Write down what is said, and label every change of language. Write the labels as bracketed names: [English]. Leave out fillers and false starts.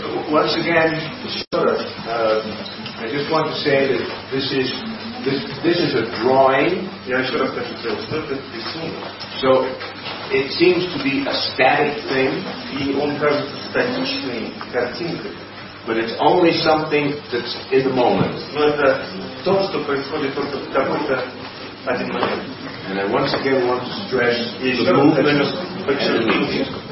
[English] Once again, I just want to say that this is a drawing. [Russian] Я еще раз хочу сказать, что это рисунок. [English] So it seems to be a static thing. [Russian] И он кажется статичной картинкой. [English] But it's only something that's in the moment. [Russian] Но это то, что происходит только в какой-то один момент. [English] And I once again want to stress the movement